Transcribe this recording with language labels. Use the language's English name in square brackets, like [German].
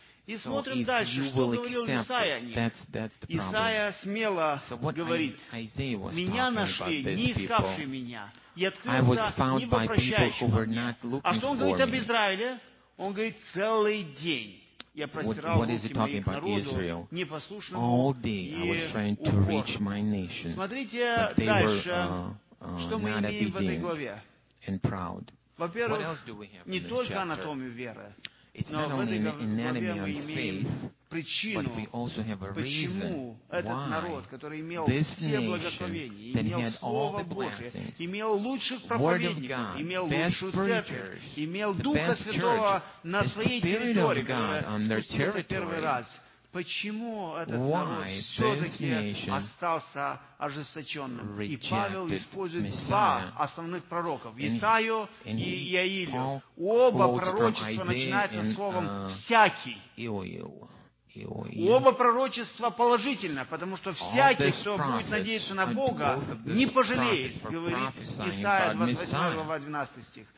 [Russian] И смотрим дальше, что говорил Исаия о них. Исаия смело говорит, «Меня нашли, не искавшие меня, и открылся не вопрощающим во мне». А что он говорит об Израиле? Он говорит, «Целый день». [English] What is he talking about, Israel? All day I was trying to reach my nation, but they were not obedient and proud. What else do we have in this chapter? It's not only an anatomy of faith, but we also have a reason why this nation that had all the blessings, Word of God, best preachers, the best church, the Spirit of God on their territory, [Russian] почему этот народ остался ожесточенным? И Павел использует два основных пророка, Исаию и Иоилю. Оба пророчества начинаются словом «всякий». Оба пророчества положительно, потому что всякий, кто будет надеяться на Бога, не пожалеет, говорит Исаия, 28 глава, 12 стих.